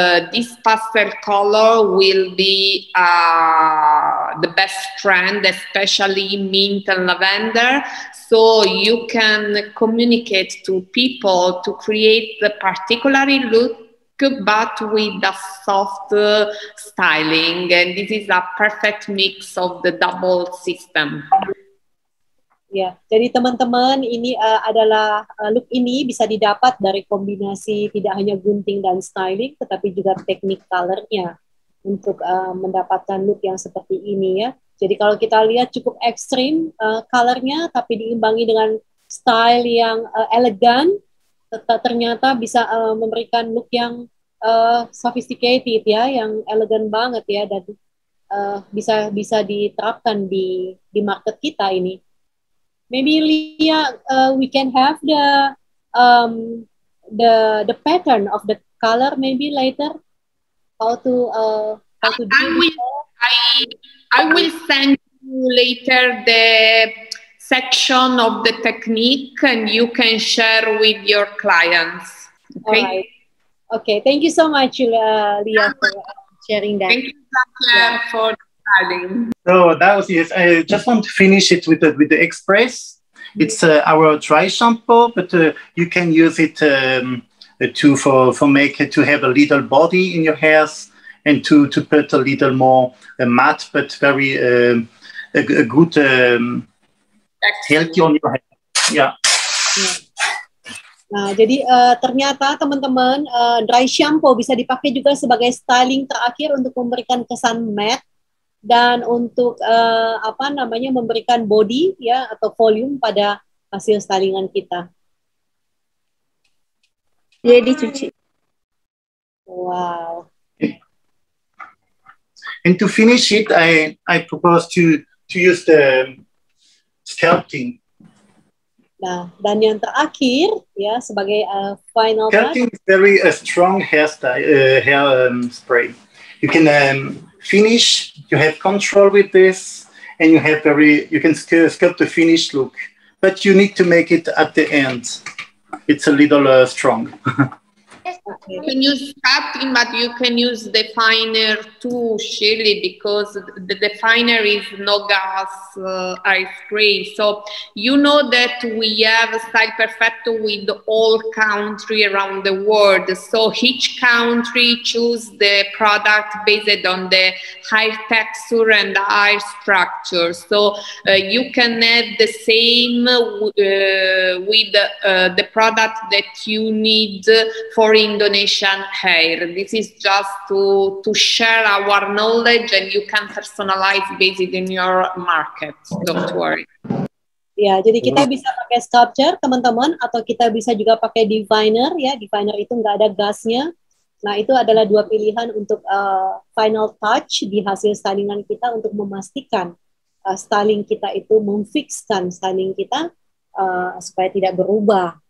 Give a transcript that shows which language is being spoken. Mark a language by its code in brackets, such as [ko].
[en] this pastel color will be the best trend, especially mint and lavender, so you can communicate to people to create the particular look but with a soft styling, and this is a perfect mix of the double system. [id] Ya, jadi teman-teman, ini adalah look ini bisa didapat dari kombinasi tidak hanya gunting dan styling, tetapi juga teknik colornya untuk mendapatkan look yang seperti ini ya. Jadi kalau kita lihat cukup ekstrim colornya, tapi diimbangi dengan style yang elegan, ternyata bisa memberikan look yang sophisticated ya, yang elegan banget ya, dan bisa diterapkan di market kita ini. [en] Maybe Lia, we can have the pattern of the color maybe later. I will send you later the section of the technique, and you can share with your clients. Okay. Okay. Thank you so much, Lia, for sharing that. Thank you, Zakia, for styling. So that was yes. I just want to finish it with the Express. It's our dry shampoo, but you can use it to have a little body in your hairs and to put a little more matte, but very a good healthy on your hair. Yeah. [id] Nah, jadi ternyata teman-teman dry shampoo bisa dipakai juga sebagai styling terakhir untuk memberikan kesan matte dan untuk memberikan body ya atau volume pada hasil stylingan kita. Ya dicuci. Wow. [en] And to finish it, I propose to use the sculpting. [id] Nah, dan yang terakhir ya sebagai final. [en] Sculpting is very a strong hair spray. You can finish. You have control with this, and you have very. You can sculpt the finished look, but you need to make it at the end. It's a little strong. You can use sculpting, but you can use definer too, Shirley, because the definer is no gas ice cream. So you know that we have Style Perfecto with all country around the world. So each country choose the product based on the hair texture and the hair structure. So you can have the same with the product that you need for Indonesian hair. This is just to share our knowledge, and you can personalize based in your market. Don't worry. [id] Ya, jadi kita bisa pakai sculpture, teman-teman, atau kita bisa juga pakai definer. Ya, definer itu nggak ada gasnya. Nah, itu adalah dua pilihan untuk final touch di hasil stylingan kita untuk memastikan styling kita itu memfixkan styling kita supaya tidak berubah.